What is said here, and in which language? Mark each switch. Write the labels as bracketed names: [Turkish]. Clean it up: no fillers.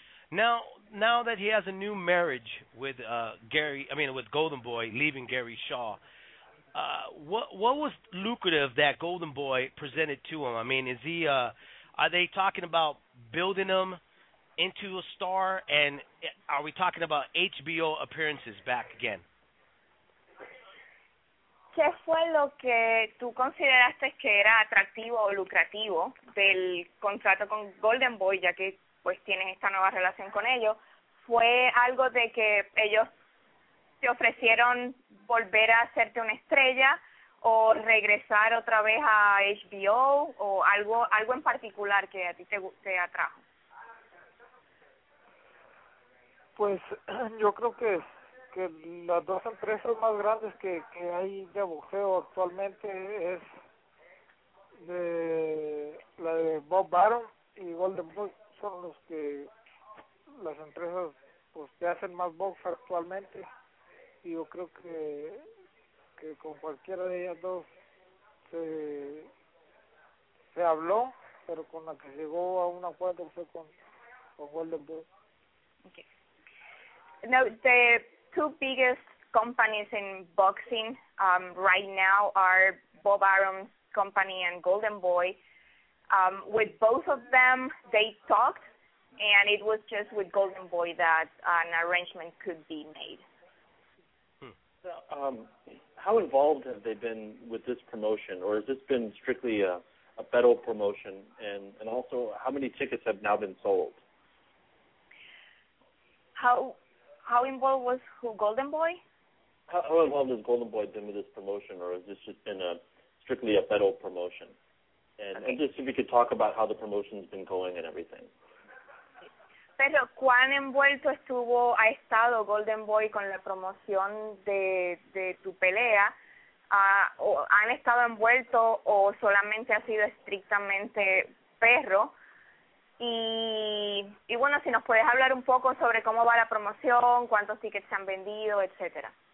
[English] Now that he has a new marriage with with Golden Boy, leaving Gary Shaw, what was lucrative that Golden Boy presented to him? I mean, is he are they talking about building him into a star, and are we talking about HBO appearances back again? [Spanish] ¿Qué fue lo que tú consideraste que era atractivo o lucrativo del contrato con Golden Boy, ya que pues tienes esta nueva relación con ellos? ¿Fue algo de que ellos te ofrecieron volver a hacerte una estrella o regresar otra vez a HBO o algo en particular que a ti te atrajo? Pues yo creo que las dos empresas más grandes que hay de boxeo actualmente es de la de Bob Barron y Golden Boy, son los que las empresas pues que hacen más box actualmente. Y yo creo que con cualquiera de ellas dos se habló, pero con la que llegó a un acuerdo fue con Golden Boy. [English] Okay. Now, the two biggest companies in boxing right now are Bob Arum's company and Golden Boy. With both of them, they talked, and it was just with Golden Boy that an arrangement could be made. How involved have they been with this promotion, or has this been strictly a federal promotion, and also how many tickets have now been sold? How involved was who, Golden Boy? How involved has Golden Boy been with this promotion, or has this just been strictly a federal promotion? And just if you could talk about how the promotion's been going and everything. [Spanish] Pero, ¿cuán envuelto ha estado Golden Boy con la promoción de tu pelea? ¿O han estado envueltos o solamente ha sido estrictamente perro? Y bueno, si nos puedes hablar un poco sobre cómo va la promoción, cuántos tickets se han vendido, etcétera.